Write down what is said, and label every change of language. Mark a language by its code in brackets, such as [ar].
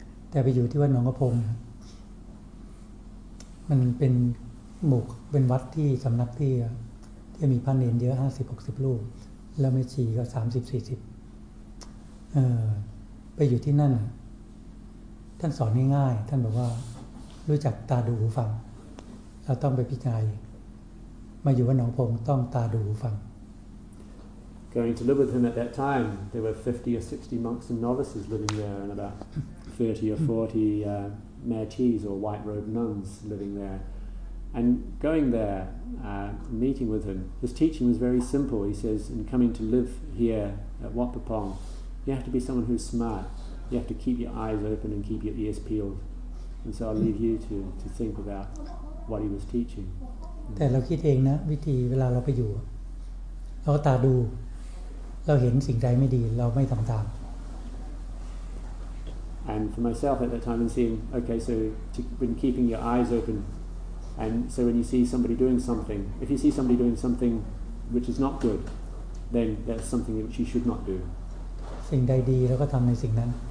[th] แต่ไปอยู่ที่วัดหนองกระพงมันเป็นหมู่เป็นวัดที่สำนักที่มีพระเนรเยอะ50 60รูปแล้วแม่ชีก็30 40ไปอยู่ที่นั่นท่านสอนง่ายๆท่านบอกว่ารู้จักตาดูหูฟังเราต้องไปพิจารณามาอยู่วัดหนองกระพงต้องตาดูหูฟัง [en] Going to live with him at that time, there were 50 or 60 monks and novices living there, and about 30 or 40 metis or white-robed nuns living there. And going there, meeting with him, his teaching was very simple. He says, in coming to live here at Wat Pa Pong, you have to be someone who's smart. You have to keep your eyes open and keep your ears peeled. And so I'll leave you to think about what he was teaching. [th] แต่เราคิดเองนะวิธีเวลาเราไปอยู่เราก็ตาดูเราเห็นสิ่งใดไม่ดีเราไม่ทำตาม [en] And for myself at that time and seeing okay so when keeping your eyes open and so when you see somebody doing something if you see somebody doing something which is not good then that's something which you should not do [th] สิ่งใดดีเราก็ทำในสิ่งนั้น